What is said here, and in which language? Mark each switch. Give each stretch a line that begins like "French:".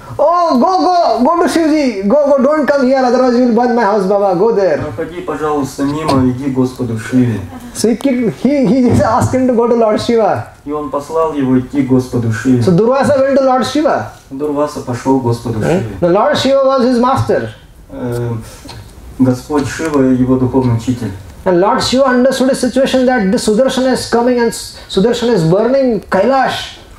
English: Oh, go to Shivji, go, don't come here, otherwise you will burn my house, Baba, go there.
Russian: Проходи, пожалуйста, мимо, иди к Господу Шиве.
English: So he asked him to go to Lord Shiva.
Russian: И он послал его идти к Господу Шиве.
English: So Durvasa went to Lord Shiva.
Russian: Дурваса пошел к Господу Шиве.
English: The Lord Shiva was his master.
Russian: Господь Шива, его духовный учитель.
English: And Lord Shiva understood the situation that the Sudarshan is coming and Sudarshan is burning Kailash.